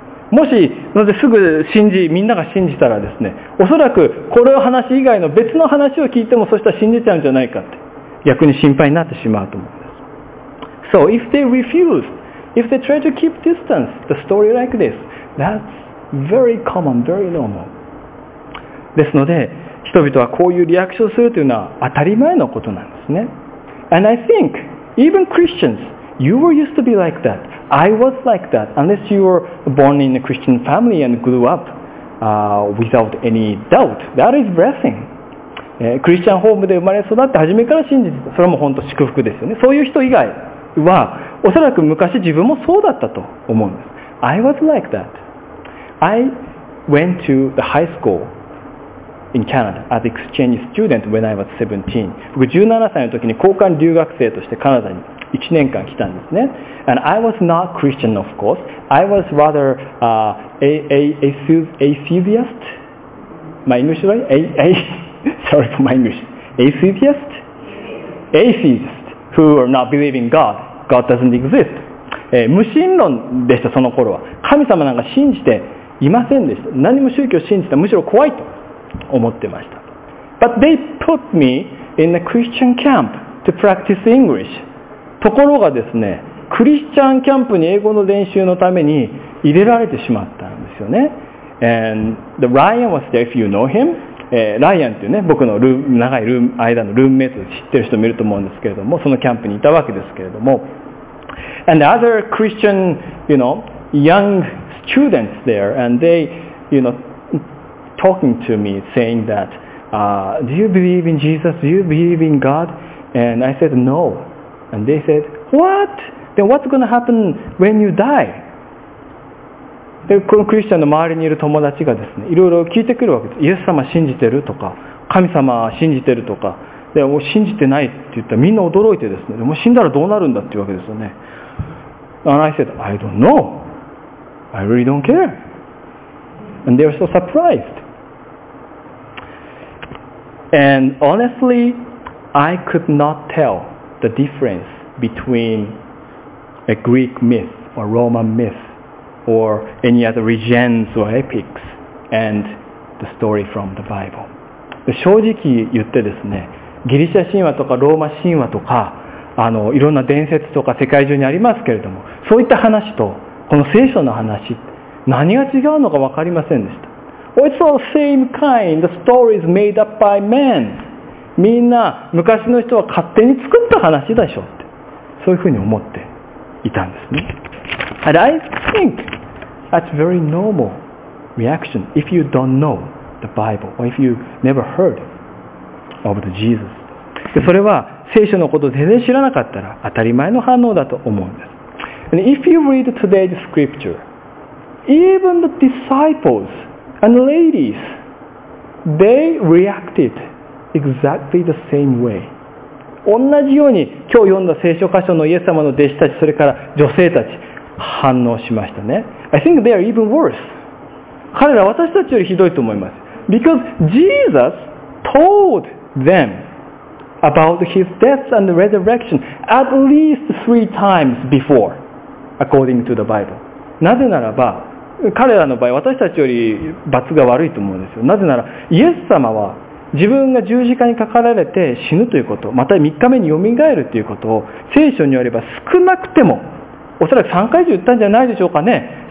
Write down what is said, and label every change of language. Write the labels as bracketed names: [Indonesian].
[Japanese] もし、なぜすぐ信じ、みんなが信じたらですね、おそらくこれを話以外の別の話を聞いても、そしたら信じちゃうんじゃないかって、逆に心配になってしまうと思うんです。 [English] So, if they refuse, if they try to keep distance, the story like this, that's very common, very normal. [Japanese] ですので、人々はこういうリアクションするというのは当たり前のことなんですね。 [English] And I think, even Christians,You were used to be like that. I was like that. Unless you were born in a Christian family and grew up without any doubt. That is blessing. [Japanese] クリスチャンホームで生まれ育って初めから信じてた。それも本当祝福ですよね。そういう人以外は、おそらく昔自分もそうだったと思うんです。 [English] I was like that. I went to the high school in Canada as exchange student when I was 17. [Japanese] 僕17歳の時に交換留学生としてカナダに1年間来たんですね。 [English] And I was not Christian, of course. I was rather atheist. My English right? Sorry for my English. Atheist? Atheist. Who are not believing God. God doesn't exist. [Japanese] 無神論でした、その頃は。神様なんか信じていませんでした。何も宗教信じて、むしろ怖いと思ってました。 [English] But they put me in a Christian camp to practice English. [Japanese] ところがですね、クリスチャンキャンプに英語の練習のために入れられてしまったんですよね。 [English] And the Ryan was there, if you know him. [Japanese] Ryan っていうね、僕の長い間のルームメイトを知ってる人もいると思うんですけれども、そのキャンプにいたわけですけれども。 [English] And the other Christian, you know, young students there, and they, you know, talking to me, saying that, do you believe in Jesus? Do you believe in God? And I said, no. And they said, what? Then what's going to happen when you die? [Japanese] でこのクリスチャンの周りにいる友達がですね、いろいろ聞いてくるわけです。イエス様信じてるとか、神様信じてるとか、でもう信じてないって言ったらみんな驚いてですね、でも死んだらどうなるんだっていうわけですよね。 [English] And I said, I don't know. I really don't care. And they were so surprised. And honestly, I could not tell the difference between a Greek myth or Roman myth or any other legends or epics and the story from the Bible. [Japanese] 正直言ってですね、ギリシャ神話とかローマ神話とか、あのいろんな伝説とか世界中にありますけれども、そういった話とこの聖書の話、何が違うのか分かりませんでした。 [English] Well, it's all the same kind. The story is made up by men. [Japanese] みんな昔の人は勝手に作った話でしょって、そういうふうに思っていたんですね。 [English] And I think that's very normal reaction if you don't know the Bible or if you never heard of the Jesus. [Japanese] でそれは聖書のことを全然知らなかったら当たり前の反応だと思うんです。 [English] And if you read today's scripture, even the disciples and the ladies, they reacted exactly the same way. [Japanese] 同じように今日読んだ聖書箇所のイエス様の弟子たち、それから女性たち、反応しましたね。 [English] I think they are even worse. [Japanese] 彼ら私たちよりひどいと思います。 [English] Because Jesus told them,about his death and the resurrection at least three times before, according to the Bible. [Japanese] なぜならば、彼らの場合、私たちより罰が悪いと思うんですよ。なぜなら、イエス様は自分が十字架にかかられて死ぬということ、また3日目によみがえるということを聖書によれば少なくても、おそらく3回以上言ったんじゃないでしょうかね。